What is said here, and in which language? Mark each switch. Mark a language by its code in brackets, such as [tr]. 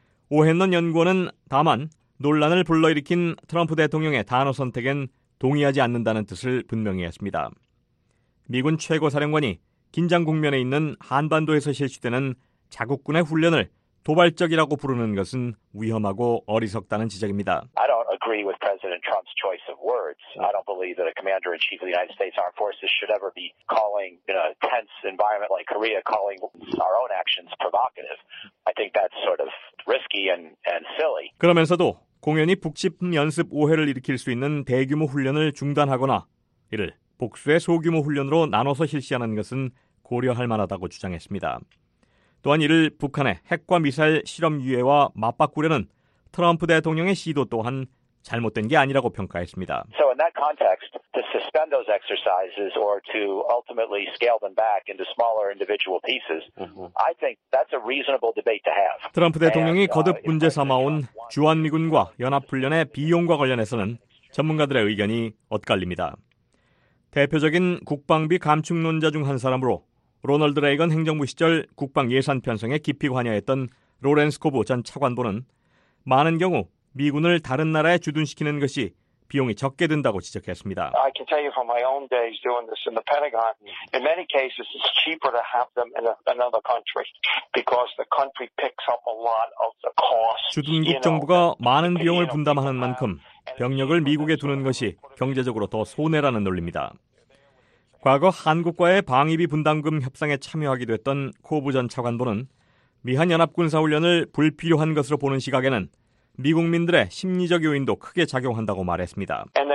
[ko] 오헨런 연구원은 다만 논란을 불러일으킨 트럼프 대통령의 단어 선택엔 동의하지 않는다는 뜻을 분명히 했습니다. 미군 최고사령관이 긴장 국면에 있는 한반도에서 실시되는 자국군의 훈련을 도발적이라고 부르는 것은 위험하고 어리석다는 지적입니다. [en] I don't agree with President Trump's choice of words. I don't believe that a commander-in-chief of the United States Armed Forces should ever be calling in a tense environment like Korea calling our own actions provocative. I think that's sort of risky and silly. [ko] 그러면서도 공연이 북침 연습 오해를 일으킬 수 있는 대규모 훈련을 중단하거나 이를 복수의 소규모 훈련으로 나눠서 실시하는 것은 고려할 만하다고 주장했습니다. 또한 이를 북한의 핵과 미사일 실험 유예와 맞바꾸려는 트럼프 대통령의 시도 또한 잘못된 게 아니라고 평가했습니다. [en] So in that context, to suspend those exercises or to ultimately scale them back into smaller individual pieces, I think that's a reasonable debate to have. [ko] 트럼프 대통령이 거듭 문제 삼아온 주한미군과 연합훈련의 비용과 관련해서는 전문가들의 의견이 엇갈립니다. 대표적인 국방비 감축론자 중 한 사람으로 로널드 레이건 행정부 시절 국방 예산 편성에 깊이 관여했던 로렌스 코브 전 차관보는 많은 경우 미군을 다른 나라에 주둔시키는 것이 비용이 적게 든다고 지적했습니다. [en] I can tell you from my own days doing this in the Pentagon, in many cases it's cheaper to have them in another country because the country picks up a lot of the cost. [ko] 주둔국 정부가 많은 비용을 분담하는 만큼 병력을 미국에 두는 것이 경제적으로 더 손해라는 논리입니다. 과거 한국과의 방위비 분담금 협상에 참여하기도 했던 코브 전 차관보는 미한 연합군사훈련을 불필요한 것으로 보는 시각에는 미국민들의 심리적 요인도 크게 작용한다고 말했습니다.